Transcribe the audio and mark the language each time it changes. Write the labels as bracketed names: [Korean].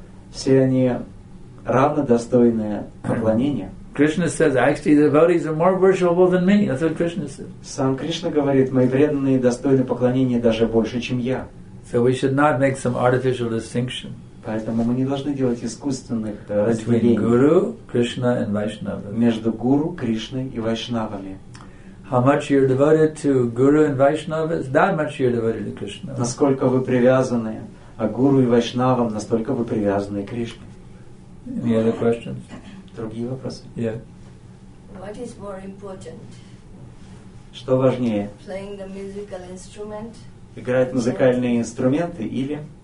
[Russian] Все они равно достойны поклонения. [English] Krishna says, actually, the devotees are more worshipable than me. That's what Krishna says. [Russian] Сам Кришна говорит, мои преданные достойны поклонения даже больше, чем я. [English] So we should not make some artificial distinction. [Russian] Поэтому мы не должны делать искусственных разделений. [English] Guru, Krishna, and Vaishnava. [Russian] Между Гуру, Кришной и Вайшнавами. [English] How much you're devoted to Guru and Vaishnavas, that much you're devoted to Krishna. [Russian] Насколько вы привязаны к Гуру и Вайшнавам, настолько вы привязаны к Кришне. [English] Any other questions? [Russian] Другие вопросы? [English] Yeah. What is more important? [Russian] Что важнее? [English] Playing the musical instrument. [Russian] Играть музыкальные инструменты или?